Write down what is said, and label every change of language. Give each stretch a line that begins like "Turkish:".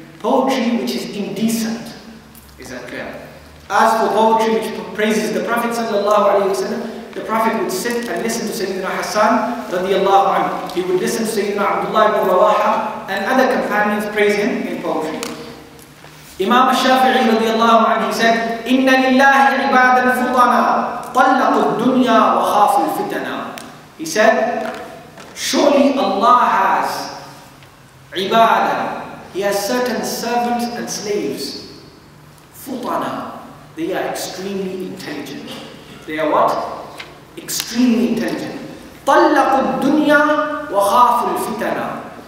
English: Poetry which is indecent. Is that clear? As for poetry which praises the Prophet sallallahu alayhi wa sallam, the Prophet would sit and listen to Sayyidina Hassan radiallahu anhu. He would listen to Sayyidina Abdullah ibn Rawaha and other companions praise him in poetry. Imam al-Shafi'i radiallahu anhu, he said,
Arabic: إِنَّ لِلَّهِ عِبَادًا فُطَنَا طَلَّقُ الدُّنْيَا وَخَافُ الْفِتَنَا.
English: He said, surely Allah has ibadah. He has certain servants and slaves. Futana. They are extremely intelligent. They are what? Extremely intelligent.
Arabic: طَلَّقُ الدُّنْيَا وَخَافُ الْفِتَنَا.